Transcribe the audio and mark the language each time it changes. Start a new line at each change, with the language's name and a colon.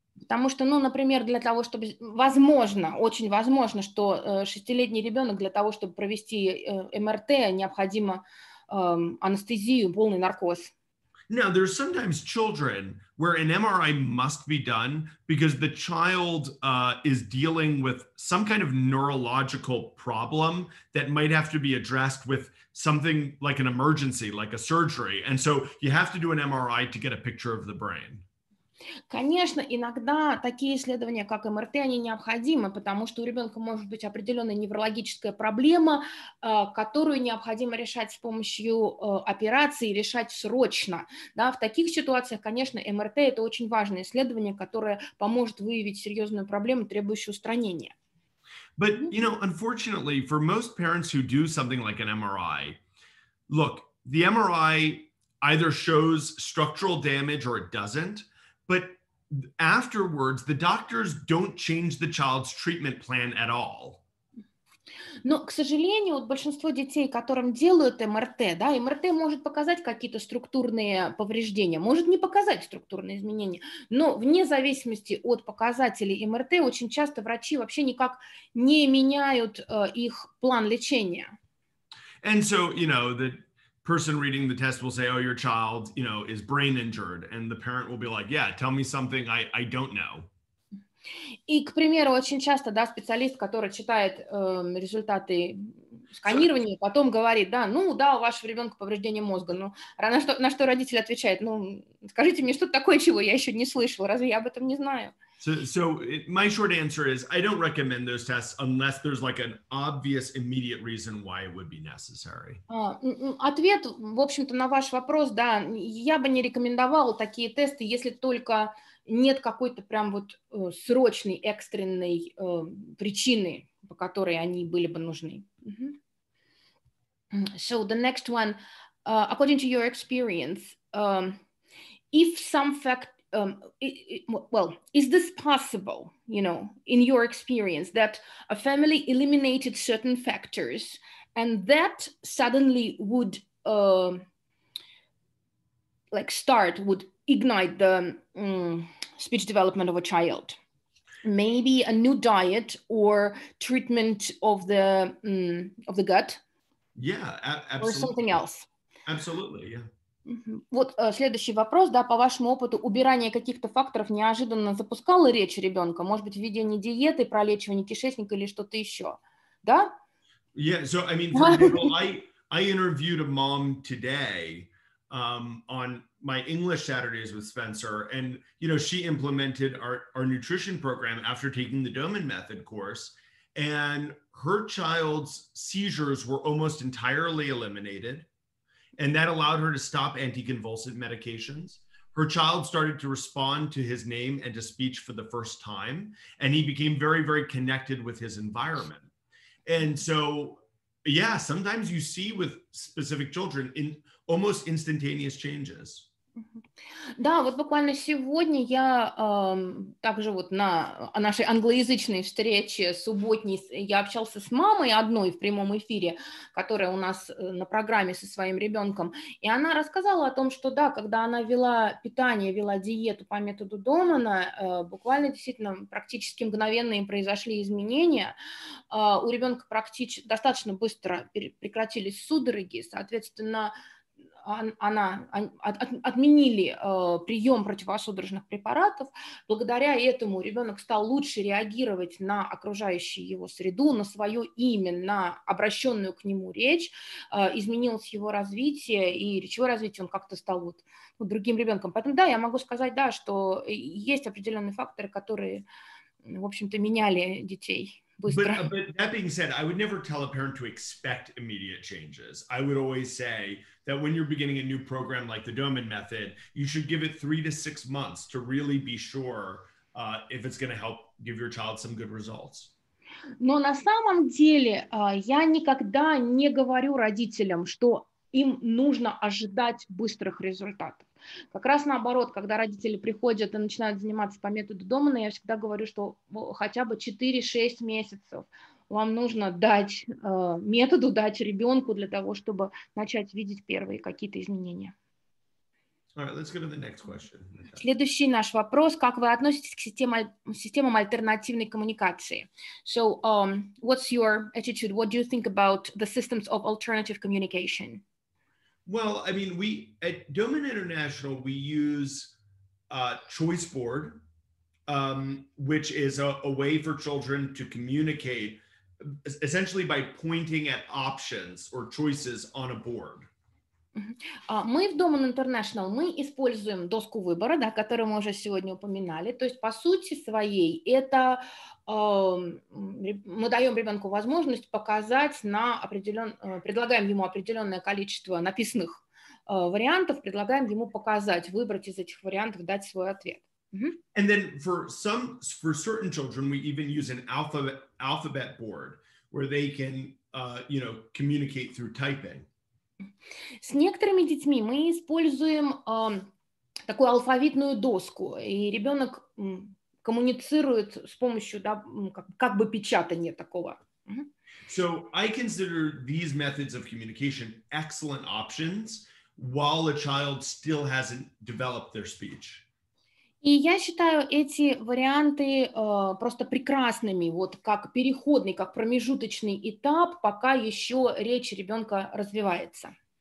Russian: Потому что, ну, например, для того, чтобы... Возможно, очень возможно, что шестилетний ребенок для того, чтобы провести МРТ, необходимо анестезию, полный наркоз.
English: Now, there are sometimes children where an MRI must be done because the child is dealing with some kind of neurological problem that might have to be addressed with something like an emergency, like a surgery. And so you have to do an MRI to get a picture of the brain.
Russian: Конечно, иногда такие исследования, как МРТ, они необходимы, потому что у ребенка может быть определенная неврологическая проблема, которую необходимо решать с помощью операции, решать срочно. Да, в таких ситуациях, конечно, МРТ – это очень важное исследование, которое поможет выявить серьезную проблему, требующую устранения.
English: But, you know, unfortunately, for most parents who do something like an MRI, look, the MRI either shows structural damage or it doesn't. But afterwards, the doctors don't change the child's treatment plan at all.
Russian: Но, к сожалению, вот большинство детей, которым делают МРТ, да, МРТ может показать какие-то структурные повреждения, может не показать структурные изменения, но вне зависимости от показателей МРТ, очень часто врачи вообще никак не меняют их план лечения.
English: And so, you know, the person reading the test will say, oh, your child, you know, is brain injured. And the parent will be like, yeah, tell me something I don't know.
Russian: И, к примеру, очень часто, да, специалист, который читает результаты сканирование, потом говорит, да, ну да, у вашего ребенка повреждение мозга, ну, на что родитель отвечает, ну, скажите мне, что такое, чего я еще не слышал, разве я об этом не знаю?
English: So my short answer is, I don't recommend those tests unless there's like an obvious immediate reason why it would be necessary.
Russian: Ответ, в общем-то, на ваш вопрос, да, я бы не рекомендовала такие тесты, если только нет какой-то прям вот срочной, экстренной причины, по которой они были бы нужны.
English: So the next one, according to your experience, if some fact, is this possible, you know, in your experience, that a family eliminated certain factors and that suddenly would would ignite the speech development of a child? Maybe a new diet or treatment of the gut? Yeah, absolutely. Or something else? Absolutely, yeah.
Russian: Вот следующий вопрос, да, по вашему опыту, убирание каких-то факторов неожиданно запускало речь ребенка, может быть, введение диеты, пролечивание кишечника или что-то еще, да?
English: Yeah, so, I mean, for example, I interviewed a mom today on my English Saturdays with Spencer, and, you know, she implemented our nutrition program after taking the Doman Method course, and her child's seizures were almost entirely eliminated. And that allowed her to stop anticonvulsant medications. Her child started to respond to his name and to speech for the first time. And he became very, very connected with his environment. And so, yeah, sometimes you see with specific children in almost instantaneous changes.
Russian: Да, вот буквально сегодня я также вот на нашей англоязычной встрече субботней, я общался с мамой одной в прямом эфире, которая у нас на программе со своим ребенком, и она рассказала о том, что да, когда она вела питание, вела диету по методу Домана, буквально действительно практически мгновенные произошли изменения, у ребенка практически достаточно быстро прекратились судороги, соответственно, отменили прием противосудорожных препаратов. Благодаря этому ребенок стал лучше реагировать на окружающую его среду, на свое имя, на обращенную к нему речь. Изменилось его развитие, и речевое развитие он как-то стал вот, ну, другим ребенком. Поэтому да, я могу сказать, да, что есть определенные факторы, которые, в общем-то, меняли детей.
English: But that being said, I would never tell a parent to expect immediate changes. I would always say that when you're beginning a new program like the Doman Method, you should give it 3 to 6 months to really be sure if it's going to help give your child some good results.
Russian: Но на самом деле я никогда не говорю родителям, что им нужно ожидать быстрых результатов. Как раз наоборот, когда родители приходят и начинают заниматься по методу Домана, я всегда говорю, что хотя бы 4-6 месяцев вам нужно дать методу, дать ребенку для того, чтобы начать видеть первые какие-то изменения.
English: All right, let's go to the next question. Okay.
Russian: Следующий наш вопрос. Как вы относитесь к системам альтернативной коммуникации?
English: So, what's your attitude? What do you think about the systems of alternative communication? Well, I mean, we at Doman International, we use Choice Board, which is a way for children to communicate essentially by pointing at options or choices on a board.
Russian: Мы в Doman International, мы используем доску выбора, да, которую мы уже сегодня упоминали. То есть, по сути своей, это мы даем ребенку возможность показать на предлагаем ему определенное количество написанных вариантов, предлагаем ему показать, выбрать из этих вариантов, дать свой ответ.
English: And then for certain children, we even use an alphabet board, where they can, you know, communicate through typing.
Russian: С некоторыми детьми мы используем такую алфавитную доску, и ребенок коммуницирует с помощью, да, как бы печатания такого.
English: So I consider these methods of communication excellent options while a child still hasn't developed their speech.
Russian: И я считаю эти варианты просто прекрасными, вот как переходный, как промежуточный этап, пока еще речь ребенка развивается.